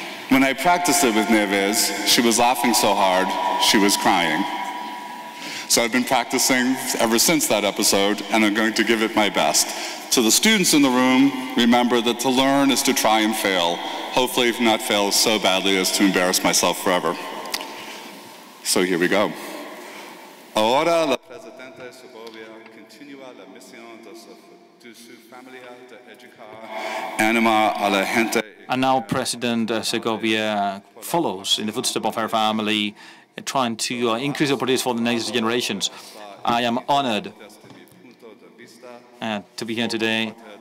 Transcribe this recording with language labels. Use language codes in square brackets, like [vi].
[en] When I practiced it with Nieves, she was laughing so hard, she was crying. So I've been practicing ever since that episode, and I'm going to give it my best. To the students in the room, remember that to learn is to try and fail. Hopefully not fail so badly as to embarrass myself forever. So here we go. [es] Ahora la Presidenta Segovia continúa la misión de su familia de educar animar a la gente. [en] And now President Segovia follows in the footsteps of her family, trying to increase opportunities for the next generations. I am honored to be here today.